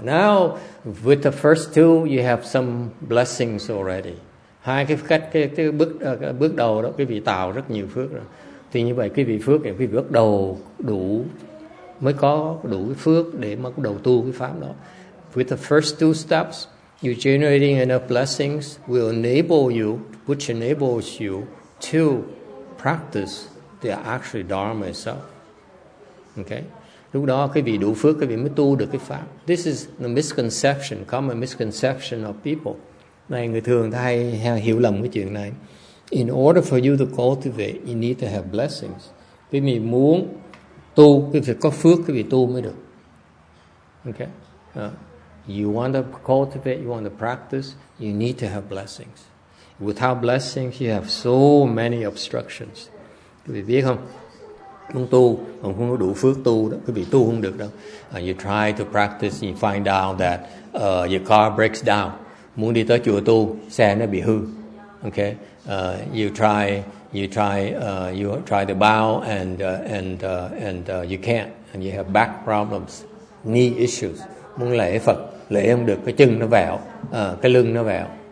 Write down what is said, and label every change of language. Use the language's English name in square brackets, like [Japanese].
[English] Now, with the first two, you have some blessings already. [Vietnamese] Hai cái bước đầu đó, quý vị tạo rất nhiều phước rồi. Thì như vậy quý vị phước thì quý vị bắt đầu đủ mới có đủ cái phước để mà đầu tu cái pháp đó. [English] With the first two steps, you generating enough blessings will enable you, which enables you to practice the actual Dharma itself. Okay? [Vietnamese] Lúc đó quý vị đủ phước, quý vị mới tu được cái pháp. [English] This is the misconception, common misconception of people. [Vietnamese] Này người thường hay hiểu lầm cái chuyện này. [English] In order for you to cultivate, you need to have blessings. [Vietnamese] Quý vị muốn tu, quý vị có phước, quý vị tu mới được. [English] Okay? You want to cultivate, you want to practice, you need to have blessings. Without blessings, you have so many obstructions. [Vietnamese] Quý vị biết không? Muốn tu, còn không có đủ phước tu, đó, quý vị tu không được đâu. [English] You try to practice, you find out that your car breaks down. [Vietnamese] Muốn đi tới chùa tu, xe nó bị hư. [English] Okay? You try to bow and you can't, and you have back problems, knee issues. [Vietnamese] Muốn lễ Phật lễ không được, cái chân nó vẹo, cái lưng nó vẹo.